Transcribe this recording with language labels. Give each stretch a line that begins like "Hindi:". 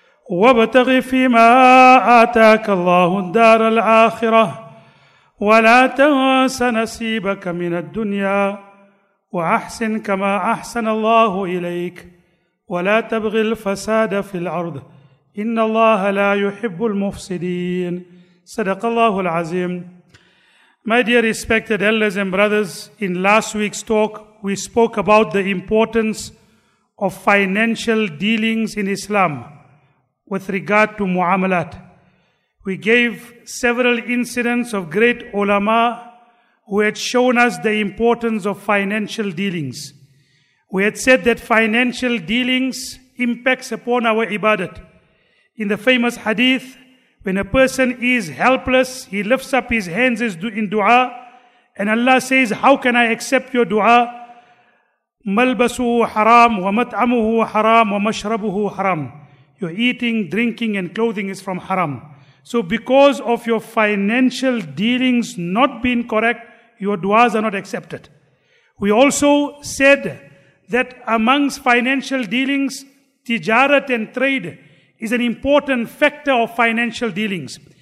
Arabic: وابتغ فيما آتاك الله الدار الآخرة ولا تنس نصيبك من الدنيا وأحسن كما أحسن الله إليك ولا تبغ الفساد في الأرض إن الله لا يحب المفسدين. صدق الله العظيم.
English: My dear respected elders and brothers, in last week's talk we spoke about the importance of financial dealings in Islam. With regard to Mu'amalat, we gave several incidents of great ulama who had shown us the importance of financial dealings. We had said that financial dealings impacts upon our ibadat. In the famous hadith, when a person is helpless, he lifts up his hands in dua, and Allah says, how can I accept your dua?
Arabic: مَلْبَسُهُ حَرَامُ وَمَتْعَمُهُ حَرَامُ وَمَشْرَبُهُ حَرَامُ.
English: Your eating, drinking and clothing is from haram. So because of your financial dealings not being correct, your du'as are not accepted. We also said that amongst financial dealings, tijarat and trade is an important factor of financial dealings.